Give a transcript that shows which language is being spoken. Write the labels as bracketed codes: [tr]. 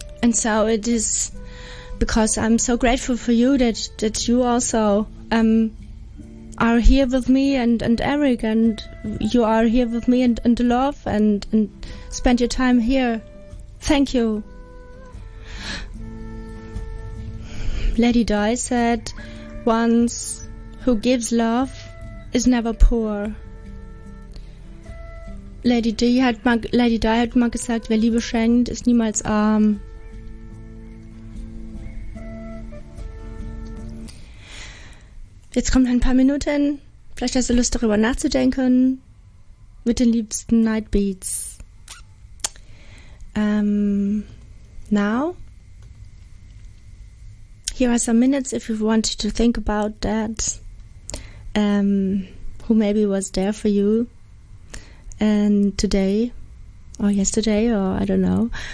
[en] So it is because I'm so grateful for you that you also are here with me and Eric, and you are here with me and love and spend your time here. Thank you. Lady Di said once, who gives love is never poor. [de] Lady Di hat mal gesagt, wer Liebe schenkt, ist niemals arm. Jetzt kommen ein paar Minuten. Vielleicht hast du Lust, darüber nachzudenken. Mit den liebsten Nightbeats. [en] Now, here are some minutes if you wanted to think about that. Who maybe was there for you. And today, or yesterday, or I don't know.